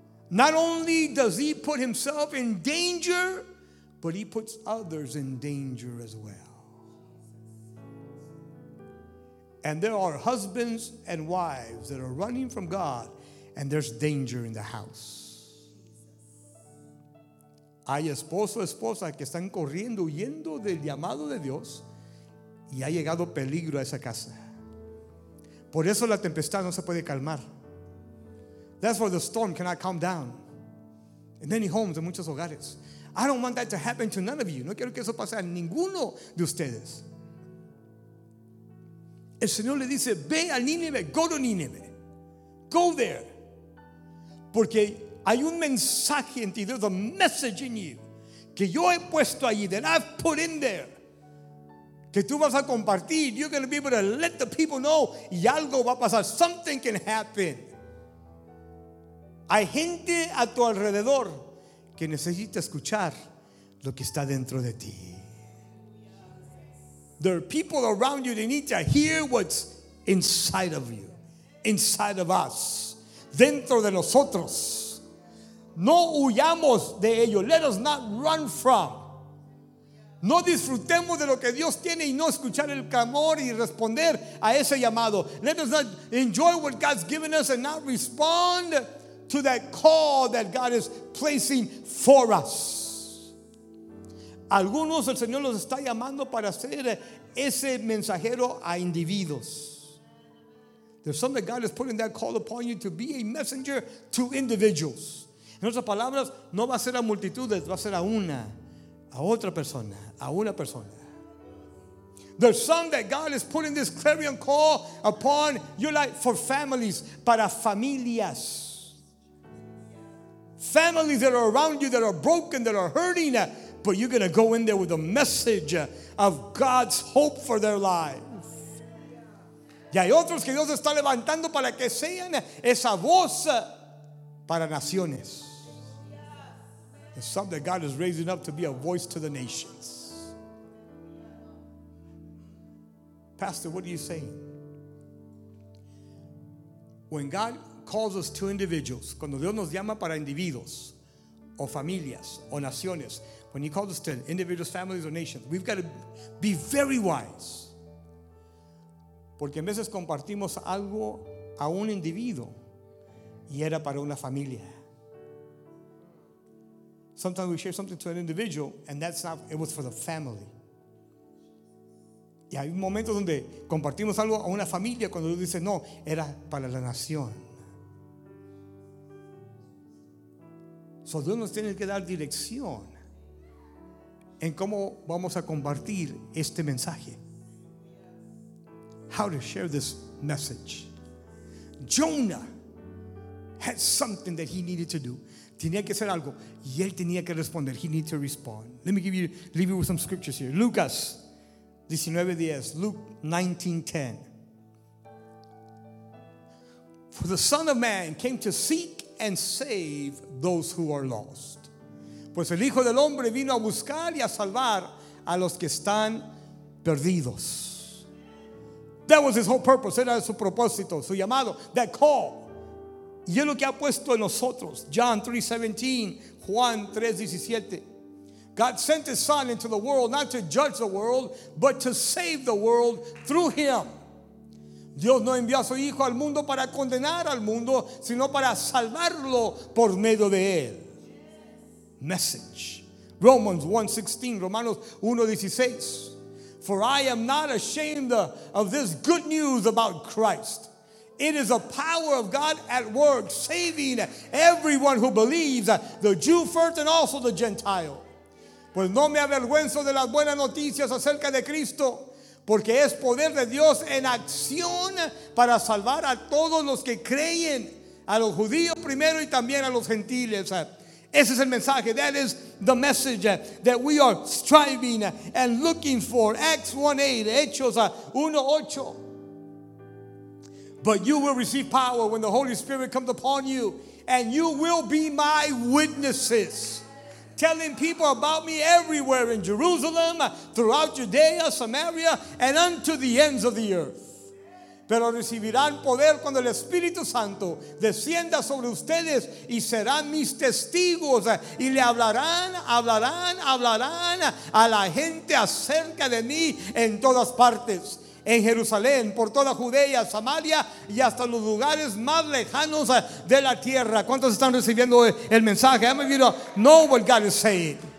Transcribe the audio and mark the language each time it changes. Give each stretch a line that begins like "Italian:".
English: Not only does he put himself in danger, but he puts others in danger as well. And there are husbands and wives that are running from God, and there's danger in the house.
Spanish: Hay esposo, esposa que están corriendo, huyendo del llamado de Dios, y ha llegado peligro a esa casa. Por eso la tempestad no se puede calmar.
English: That's why the storm cannot calm down in many homes,
Spanish: en muchos hogares.
English: I don't want that to happen to none of you.
Spanish: No quiero que eso pase a ninguno de ustedes. El Señor le dice, ve a Nínive,
English: go to Nínive. Go there.
Spanish: Porque hay un mensaje en ti,
English: there's a message in you
Spanish: que yo he puesto allí,
English: that I've put in there,
Spanish: que tú vas a compartir.
English: You're going to be able to let the people know,
Spanish: y algo va a pasar,
English: something can happen.
Spanish: Hay gente a tu alrededor que necesita escuchar lo que está dentro de ti.
English: There are people around you, they need to hear what's inside of you, inside of us,
Spanish: dentro de nosotros. No huyamos de ello.
English: Let us not run from.
Spanish: No disfrutemos de lo que Dios tiene y no escuchar el clamor y responder a ese llamado.
English: Let us not enjoy what God's given us and not respond to that call that God is placing for us.
Spanish: Algunos el Señor los está llamando para ser ese mensajero a individuos.
English: There's something God is putting that call upon you to be a messenger to individuals.
Spanish: En otras palabras, no va a ser a multitudes, va a ser a una, a otra persona, a una persona.
English: There's some that God is putting this clarion call upon your life for families,
Spanish: para familias.
English: Families that are around you that are broken, that are hurting, but you're going to go in there with a message of God's hope for their lives.
Spanish: Y hay otros que Dios está levantando para que sean esa voz para naciones.
English: Some that God is raising up to be a voice to the nations. Pastor, what are you saying? When God calls us to individuals,
Spanish: cuando Dios nos llama para individuos, o familias, o naciones,
English: when he calls us to individuals, families, or nations, we've got to be very wise.
Spanish: Porque a veces compartimos algo a un individuo, y era para una familia.
English: Sometimes we share something to an individual and that's not, it was for the family.
Spanish: Y hay momentos donde compartimos algo a una familia cuando Dios dice, no, era para la nación. So Dios nos tiene que dar dirección en cómo vamos a compartir este mensaje.
English: How to share this message. Jonah had something that he needed to do.
Spanish: Tenía que hacer algo y él tenía que responder.
English: He needed to respond. Let me leave you with some scriptures here. Lucas 19:10. Luke 19:10. For the Son of Man came to seek and save those who are lost.
Spanish: Pues el Hijo del Hombre vino a buscar y a salvar a los que están perdidos.
English: That was his whole purpose.
Spanish: Era su propósito, su llamado,
English: that call.
Spanish: Y es lo que ha puesto en nosotros.
English: John 3:17, Juan 3:17. God sent his son into the world not to judge the world, but to save the world through him.
Spanish: Dios no envió a su hijo al mundo para condenar al mundo, sino para salvarlo por medio de él.
English: Message. Romans 1:16, Romanos 1:16. For I am not ashamed of this good news about Christ. it is a power of God at work, saving everyone who believes, the Jew first and also the Gentile.
Spanish: Pues no me avergüenzo de las buenas noticias acerca de Cristo, porque es poder de Dios en acción para salvar a todos los que creen, a los judíos primero y también a los gentiles. Ese es el mensaje.
English: That is the message that we are striving and looking for. Acts 1:8, Hechos 1:8. But you will receive power when the Holy Spirit comes upon you, and you will be my witnesses, telling people about me everywhere in Jerusalem, throughout Judea, Samaria, and unto the ends of the earth.
Spanish: Pero recibirán poder cuando el Espíritu Santo descienda sobre ustedes y serán mis testigos y le hablarán a la gente acerca de mí en todas partes. En Jerusalén, por toda Judea, Samaria y hasta los lugares más lejanos de la tierra. ¿Cuántos están recibiendo el mensaje?
English: I'm going to know what God is saying.